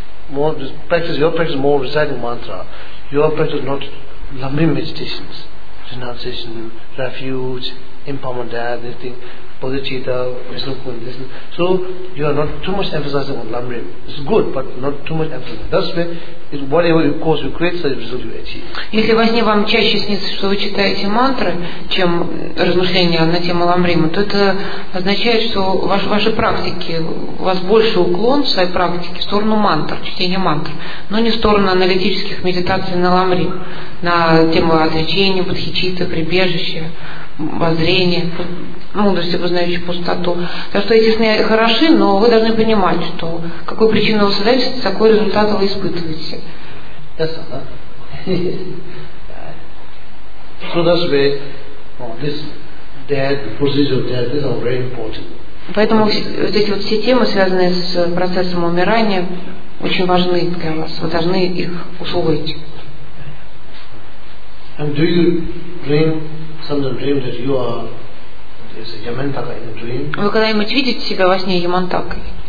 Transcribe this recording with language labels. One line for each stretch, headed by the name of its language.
English: More practice, your practice more reciting mantra. Your practice not lambing meditations, renunciation, refuge, impermanent death, this thing. bodhicitta, Vishnu Kundalini. So you are not too much emphasizing on lamrim. It's good, but not too much emphasizing. That's why whatever you cause you create, such result you achieve.
Russian: Если во сне вам чаще снится, что вы читаете мантры, чем размышления на тему ламрима, то это означает, что ваши практики, у вас больше уклон в своей практике в сторону мантр, чтения мантр, но не в сторону аналитических медитаций на ламрим, на тему отречения, бодхичитта, прибежище, воззрение, мудрость, обознающую пустоту. Так что эти сны хороши, но вы должны понимать, что какую причину вы создаете, такой результат вы испытываете.
English: So that's why this death, the process of death, these are very important.
Russian: Поэтому вот эти вот все темы, связанные с процессом умирания, очень важны для вас. Вы должны их усвоить.
English: And do you dream, sometimes dream that you are a Yamantaka in a dream?
Russian: Вы когда-нибудь видите себя во сне Ямантакой?